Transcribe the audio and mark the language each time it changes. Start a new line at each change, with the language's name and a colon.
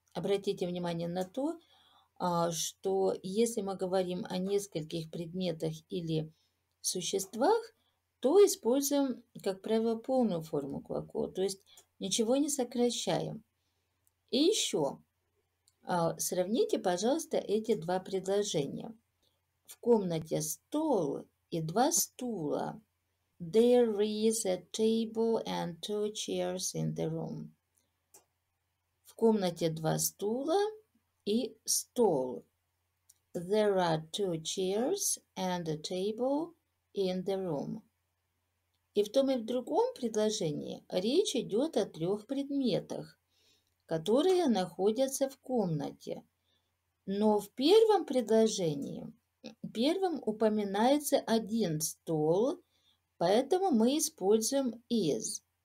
Russian: Обратите внимание на то, что если мы говорим о нескольких предметах или существах, то используем, как правило, полную форму глагола, то есть ничего не сокращаем. И еще. Сравните, пожалуйста, эти два предложения. В комнате стол и два стула.
English: There is a table and two chairs in the room.
Russian: В комнате два стула и стол.
English: There are two chairs and a table in the room.
Russian: И в том и в другом предложении речь идет о трех предметах, которые находятся в комнате. Но в первом предложении, первым упоминается один стол, поэтому мы используем is.